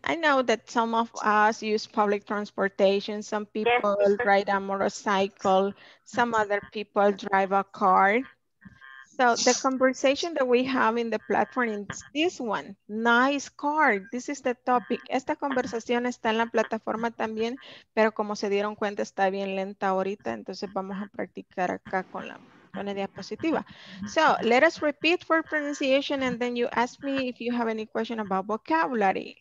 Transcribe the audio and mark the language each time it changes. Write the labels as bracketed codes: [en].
[en] I know that some of us use public transportation. Some people ride a motorcycle. Some other people drive a car. So the conversation that we have in the platform is this one. Nice car. This is the topic. [es] Esta conversación está en la plataforma también, pero como se dieron cuenta, está bien lenta ahorita. Entonces vamos a practicar acá con la diapositiva. [en] So let us repeat for pronunciation and then you ask me if you have any question about vocabulary.